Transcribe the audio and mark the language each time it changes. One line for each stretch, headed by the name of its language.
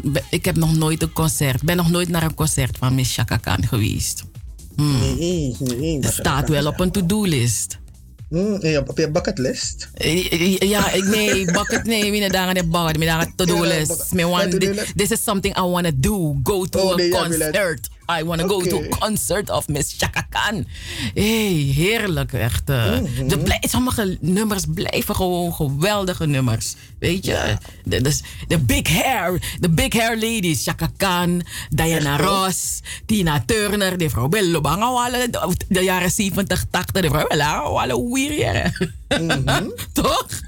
Dutch: Ik heb nog nooit een concert. Ben nog nooit naar een concert van Miss Chaka Khan geweest. Nee, staat wel op een to-do list. Op je bucket list? Ja, nee, bucket nee. Mijn dagen de bucket, mijn dagen to-do list.
English: This is something I want to do. Go to a concert. I want to go to a concert of Miss Chaka Khan.
Dutch: Hey, heerlijk, echt. Sommige nummers blijven gewoon geweldige nummers. Weet je?
English: The big hair ladies.
Dutch: Chaka Khan, Diana Ross, Tina Turner, de vrouw Bello Bangawale, de jaren 70, 80, de vrouw Bangawale, weer hier. Toch?